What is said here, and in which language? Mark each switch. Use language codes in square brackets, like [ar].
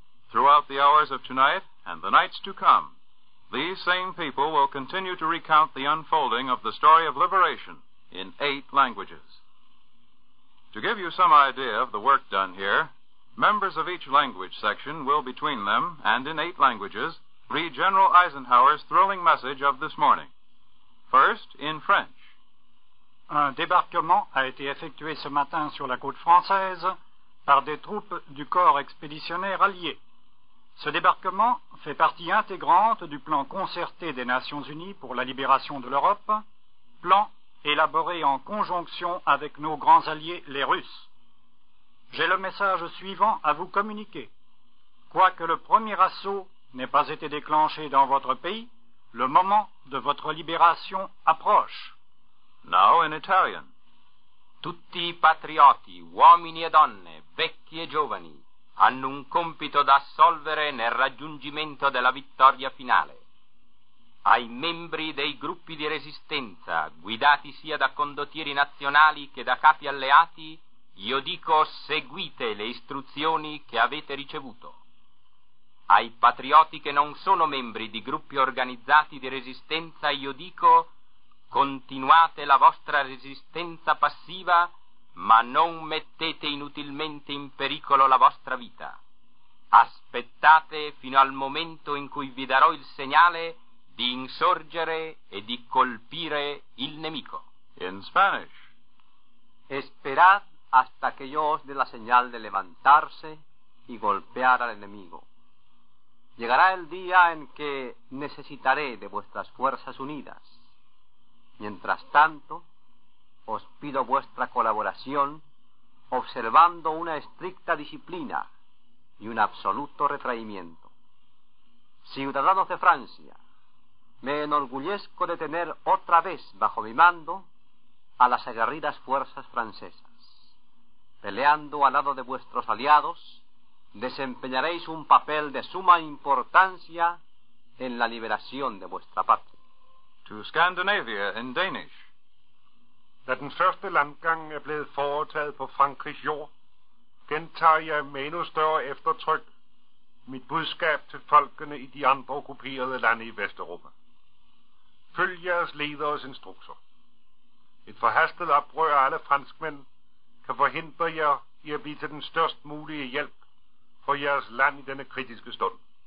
[en] Throughout the hours of tonight and the nights to come, these same people will continue to recount the unfolding of the story of liberation in 8 languages. To give you some idea of the work done here, members of each language section will, between them and in 8 languages, read General Eisenhower's thrilling message of this morning. First, in French. [fr] Un débarquement a été effectué ce matin sur la côte française par des troupes du corps expéditionnaire allié. Ce débarquement fait partie intégrante du plan concerté des Nations Unies pour la libération de l'Europe, plan élaboré en conjonction avec nos grands alliés, les Russes. J'ai le message suivant à vous communiquer. Quoique le premier assaut n'ait pas été déclenché dans votre pays, le moment de votre libération approche. [en] Now in Italian. [it] Tutti i patrioti, uomini e donne, vecchi e giovani, hanno un compito da assolvere nel raggiungimento della vittoria finale. Ai membri dei gruppi di resistenza, guidati sia da condottieri nazionali che da capi alleati, io dico seguite le istruzioni che avete ricevuto. Ai patrioti che non sono membri di gruppi organizzati di resistenza, io dico continuate la vostra resistenza passiva, ma non mettete inutilmente in pericolo la vostra vita. Aspettate fino al momento in cui vi darò il segnale di insorgere e di colpire il nemico. [en] In Spanish. [es] Esperad hasta que yo os dé la señal de levantarse y golpear al enemigo. Llegará el día en que necesitaré de vuestras fuerzas unidas. Mientras tanto, os pido vuestra colaboración observando una estricta disciplina y un absoluto retraimiento. Ciudadanos de Francia, me enorgullezco de tener otra vez bajo mi mando a las aguerridas fuerzas francesas. Peleando al lado de vuestros aliados, desempeñaréis un papel de suma importancia en la liberación de vuestra patria. [en] To Scandinavia in Danish. [da] Da den første landgang blevet foretaget på Frankrigs jord, gentager jeg med endnu større eftertryk mit budskab til folkene i de andre okkuperede lande i Vesteuropa. Følg jeres leders instrukser. Et forhastet oprør af alle franskmænd kan forhindre jer i at blive til den størst mulige hjælp for jeres land i denne kritiske stund.